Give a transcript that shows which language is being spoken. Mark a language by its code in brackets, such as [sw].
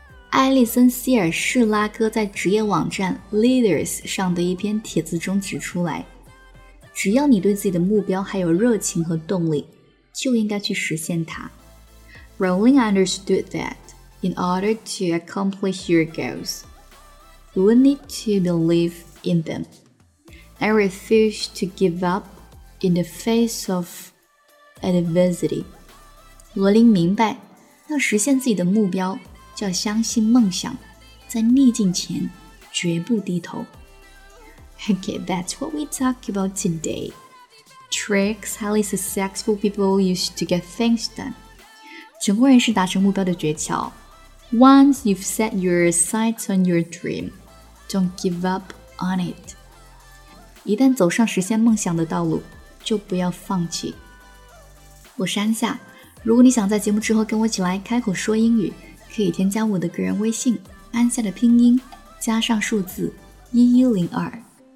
[zh] 艾丽森·希尔·士拉哥在职业网站 Leaders 上的一篇帖子中指出来，只要你对自己的目标还有热情和动力，就应该去实现它。 [en] Rowling understood that in order to accomplish your goals, you will need to believe in them and refuse to give upIn the face of adversity， [zh] 罗琳明白，要实现自己的目标，就要相信梦想，在逆境前绝不低头。 [en] Okay, that's what we talk about today. Tricks highly successful people use to get things done. [zh] 成功人士达成目标的诀窍。 [en] Once you've set your sights on your dream, don't give up on it. [zh] 一旦走上实现梦想的道路。就不要放弃。我是安夏，如果你想在节目之后跟我一起来开口说英语，可以添加我的个人微信安夏的拼音加上数字1102。